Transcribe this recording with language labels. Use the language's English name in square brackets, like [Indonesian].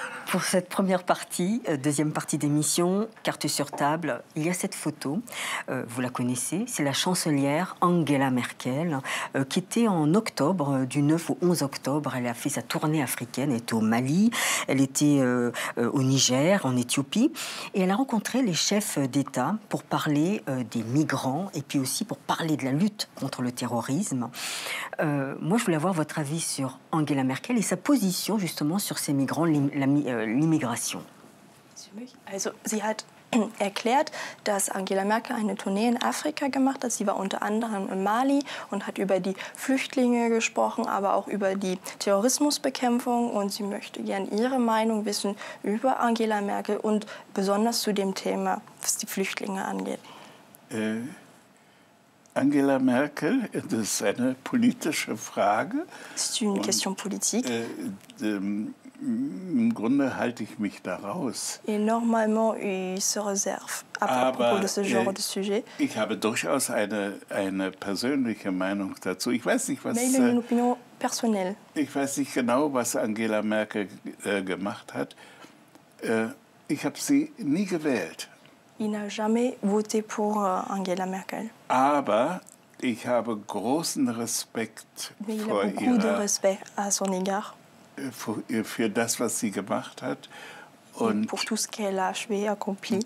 [French] Pour cette première partie, deuxième partie d'émission, « Cartes sur table », il y a cette photo, vous la connaissez, c'est la chancelière Angela Merkel, qui était en octobre, du 9 au 11 octobre, elle a fait sa tournée africaine, elle était au Mali, elle était au Niger, en Éthiopie, et elle a rencontré les chefs d'État pour parler des migrants, et puis aussi pour parler de la lutte contre le terrorisme. Moi, je voulais avoir votre avis sur Angela Merkel et sa position, justement, sur ces migrants, l'immigration. [German] Also, sie hat erklärt, dass Angela Merkel eine Tournee in Afrika gemacht hat. Sie war unter anderem in Mali und hat über die Flüchtlinge gesprochen, aber auch über die Terrorismusbekämpfung. Und sie möchte gern ihre Meinung wissen über Angela Merkel und besonders zu dem Thema, was die Flüchtlinge angeht. Angela Merkel, das ist eine politische Frage. [French] C'est une question politique. [German] Im Grunde halte ich mich da raus. [French] Et normalement, il se réserve à propos de ce genre de sujet. [German] Ich habe durchaus eine persönliche Meinung dazu. Ich weiß nicht, was. [French] Mais il a une opinion personnelle. [German] Ich weiß nicht genau, was Angela Merkel gemacht hat. Ich habe sie nie gewählt. [French] Il n'a jamais voté pour Angela Merkel. [German] Aber Ich habe großen Respekt vor ihr. [French] Beaucoup de respect à son égard. [German] Für das, was sie gemacht hat. [French] Und pour tout ce qu'elle a achevé, accompli.